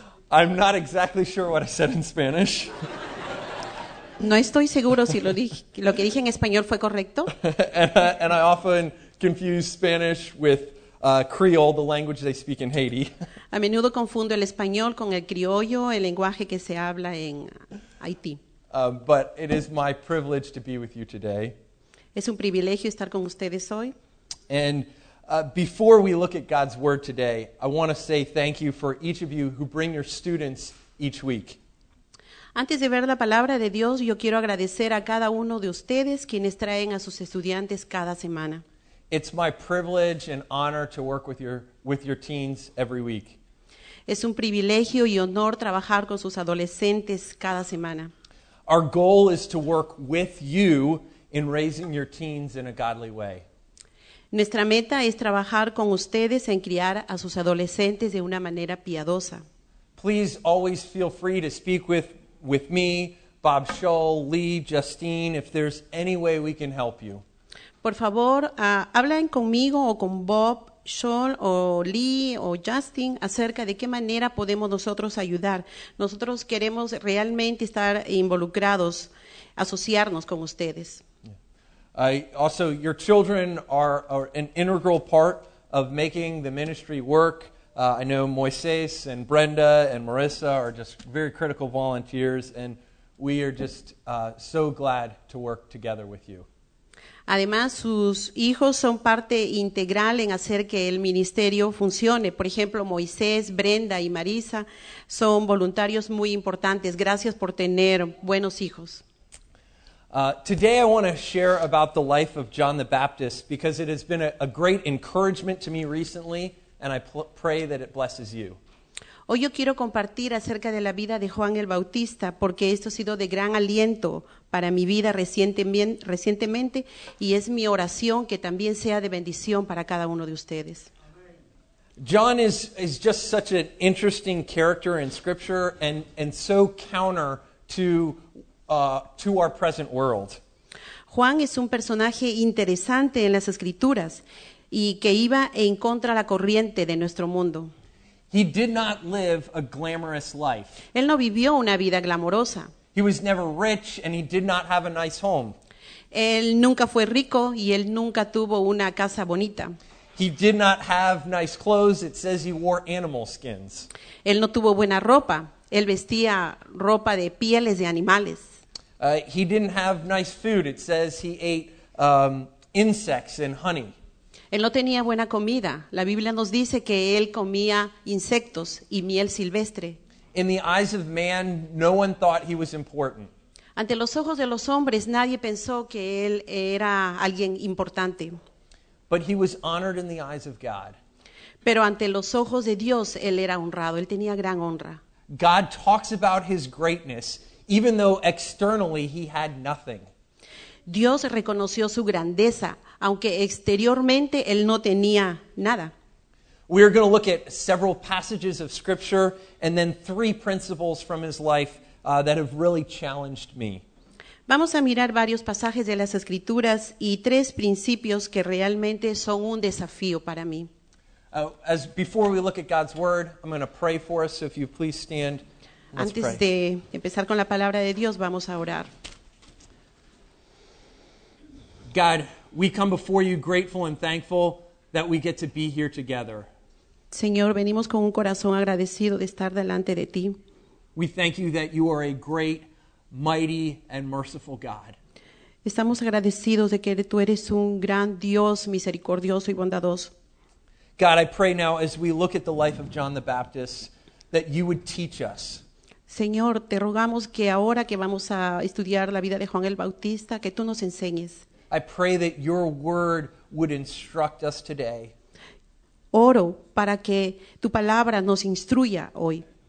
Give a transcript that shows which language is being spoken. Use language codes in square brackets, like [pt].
[en] I'm not exactly sure what I said in Spanish. [es] No estoy seguro si lo que dije en español fue correcto. [en] And I often confuse Spanish with Creole, the language they speak in Haiti. [es] A menudo confundo el español con el criollo, el lenguaje que se habla en Haití. [en] But it is my privilege to be with you today. [es] Es un privilegio estar con ustedes hoy. [en] And before we look at God's word today, I want to say thank you for each of you who bring your students each week. [es] Antes de ver la palabra de Dios, yo quiero agradecer a cada uno de ustedes quienes traen a sus estudiantes cada semana. [en] It's my privilege and honor to work with your teens every week. [es] Es un privilegio y honor trabajar con sus adolescentes cada semana. [en] Our goal is to work with you in raising your teens in a godly way. [es] Nuestra meta es trabajar con ustedes en criar a sus adolescentes de una manera piadosa. [en] Please always feel free to speak with me, Bob Scholl, Lee, Justine, if there's any way we can help you. [es] Por favor, hablen conmigo o con Bob Scholl o Lee o Justin acerca de qué manera podemos nosotros ayudar. Nosotros queremos realmente estar involucrados, asociarnos con ustedes. [en] Also, your children are an integral part of making the ministry work. I know Moises and Brenda and Marissa are just very critical volunteers, and we are just so glad to work together with you. [es] Además, sus hijos son parte integral en hacer que el ministerio funcione. Por ejemplo, Moisés, Brenda y Marisa son voluntarios muy importantes. Gracias por tener buenos hijos. [en] Today I want to share about the life of John the Baptist because it has been a great encouragement to me recently, and I pray that it blesses you. [es] Hoy yo quiero compartir acerca de la vida de Juan el Bautista porque esto ha sido de gran aliento para mi vida recientemente y es mi oración que también sea de bendición para cada uno de ustedes. [en] John is just such an interesting character in Scripture and so counter to our present world. [es] Juan es un personaje interesante en las Escrituras y que iba en contra la corriente de nuestro mundo. [en] He did not live a glamorous life. [es] Él no vivió una vida glamorosa. [en] He was never rich and he did not have a nice home. [es] Él nunca fue rico y él nunca tuvo una casa bonita. [en] He did not have nice clothes. It says he wore animal skins. [es] Él no tuvo buena ropa. Él vestía ropa de pieles de animales. [en] He didn't have nice food. It says he ate insects and honey. [es] Él no tenía buena comida. La Biblia nos dice que él comía insectos y miel silvestre. [en] In the eyes of man, no one thought he was important. [es] Ante los ojos de los hombres, nadie pensó que él era alguien importante. [en] But he was honored in the eyes of God. [es] Pero ante los ojos de Dios, él era honrado. Él tenía gran honra. [en] God talks about his greatness, even though externally he had nothing. [es] Dios reconoció su grandeza, aunque exteriormente él no tenía nada. [en] We are going to look at several passages of Scripture and then three principles from his life that have really challenged me. [es] Vamos a mirar varios pasajes de las Escrituras y tres principios que realmente son un desafío para mí. [en] As before we look at God's Word, I'm going to pray for us. So if you please stand, let's [es] Antes [en] pray. [es] De empezar con la palabra de Dios, vamos a orar. [en] God, we come before you grateful and thankful that we get to be here together. [es] Señor, venimos con un corazón agradecido de estar delante de ti. [en] We thank you that you are a great, mighty, and merciful God. [es] Estamos agradecidos de que tú eres un gran Dios misericordioso y bondadoso. [en] God, I pray now as we look at the life of John the Baptist that you would teach us. [es] Señor, te rogamos que ahora que vamos a estudiar la vida de Juan el Bautista, que tú nos enseñes. [en] I pray that your word would instruct us today. [es] Oro para que tu palabra nos instruya hoy.